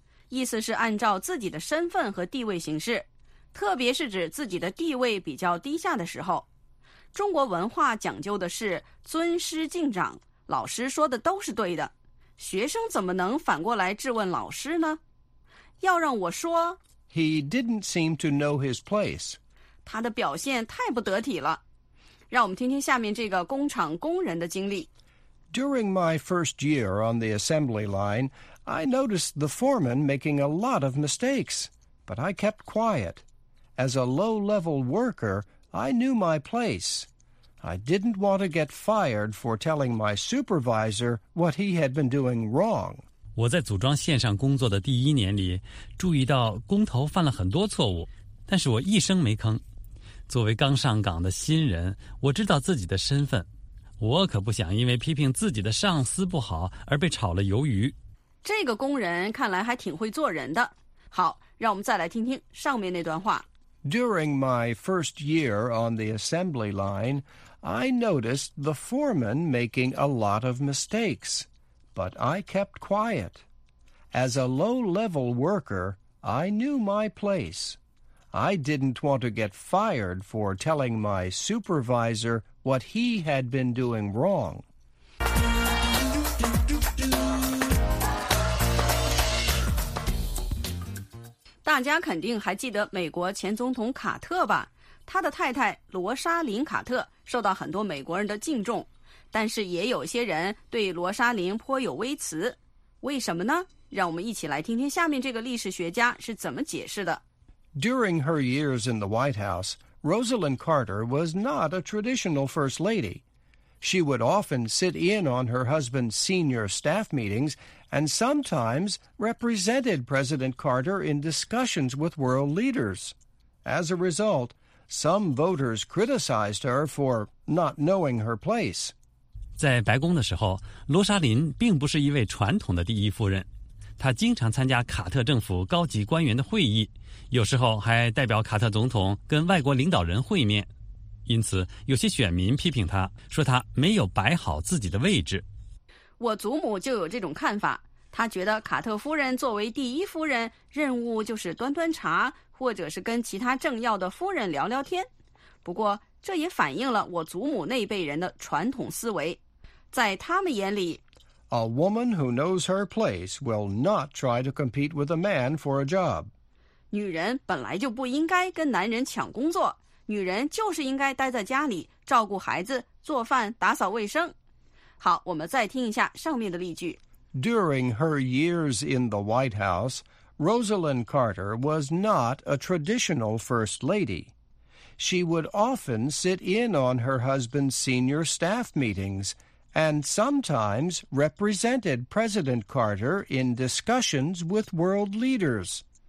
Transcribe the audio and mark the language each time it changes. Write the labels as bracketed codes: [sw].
[zh] 意思是按照自己的身份和地位行事，特别是指自己的地位比较低下的时候。中国文化讲究的是尊师敬长，老师说的都是对的，学生怎么能反过来质问老师呢？要让我说， [en] He didn't seem to know his place. [zh] 他的表现太不得体了。让我们听听下面这个工厂工人的经历。 [en] During my first year on the assembly line, I noticed the foreman making a lot of mistakes, but I kept quiet. As a low-level worker, I knew my place. I didn't want to get fired for telling my supervisor what he had been doing wrong. [zh] 我在组装线上工作的第一年里，注意到工头犯了很多错误，但是我一声没吭。作为刚上岗的新人，我知道自己的身份，我可不想因为批评自己的上司不好而被炒了鱿鱼。这个工人看来还挺会做人的。好，让我们再来听听上面那段话。 [en] During my first year on the assembly line, I noticed the foreman making a lot of mistakes, but I kept quiet. As a low-level worker, I knew my place. I didn't want to get fired for telling my supervisor what he had been doing wrong. [zh] 大家肯定还记得美国前总统卡特吧？他的太太罗莎琳·卡特受到很多美国人的敬重，但是也有些人对罗莎琳颇有微词。为什么呢？让我们一起来听听下面这个历史学家是怎么解释的。 [en] During her years in the White House, Rosalynn Carter was not a traditional first lady. She would often sit in on her husband's senior staff meetings and sometimes represented President Carter in discussions with world leaders. As a result, some voters criticized her for not knowing her place. [zh] 在白宫的时候，罗莎琳并不是一位传统的第一夫人。他经常参加卡特政府高级官员的会议，有时候还代表卡特总统跟外国领导人会面，因此有些选民批评他，说他没有摆好自己的位置。我祖母就有这种看法，她觉得卡特夫人作为第一夫人，任务就是端端茶，或者是跟其他政要的夫人聊聊天。不过这也反映了我祖母那辈人的传统思维，在他们眼里， [en] A woman who knows her place will not try to compete with a man for a job. [zh] 女人本来就不应该跟男人抢工作，女人就是应该待在家里，照顾孩子，做饭，打扫卫生。好，我们再听一下上面的例句。 [en] During her years in the White House, Rosalynn Carter was not a traditional first lady. She would often sit in on her husband's senior staff meetings,and sometimes represented President Carter in discussions with world leaders.